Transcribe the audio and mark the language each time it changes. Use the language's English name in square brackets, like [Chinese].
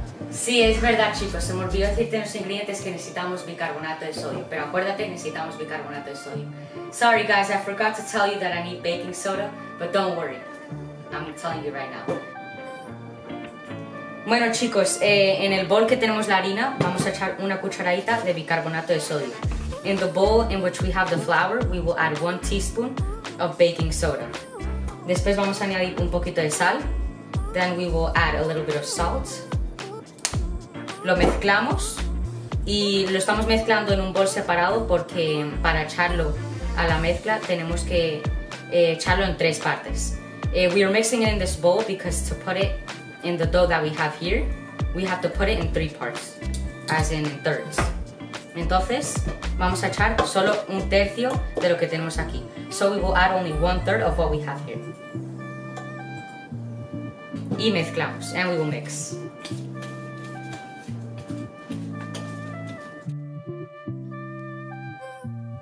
[Spanish] Sí, es verdad chicos, se me olvidó decirte en los ingredientes que necesitamos bicarbonato de sodio, pero acuérdate, necesitamos bicarbonato de sodio. [English] Sorry guys, I forgot to tell you that I need baking soda, but don't worry, I'm telling you right now. [Spanish] Bueno chicos, en el bol que tenemos la harina, vamos a echar una cucharadita de bicarbonato de sodio. [English] In the bowl in which we have the flour, we will add one teaspoon of baking soda. [Spanish] Después vamos a añadir un poquito de sal, [English] then we will add a little bit of salt. [Spanish] Lo mezclamos y lo estamos mezclando en un bol separado porque para echarlo a la mezcla tenemos que echarlo en tres partes. [English] We are mixing it in this bowl because to put it in the dough that we have here, we have to put it in three parts, as in thirds. [Spanish] Entonces vamos a echar solo un tercio de lo que tenemos aquí. [English] So we will add only one third of what we have here. [Spanish] Y mezclamos, [English] and we will mix. Thank you.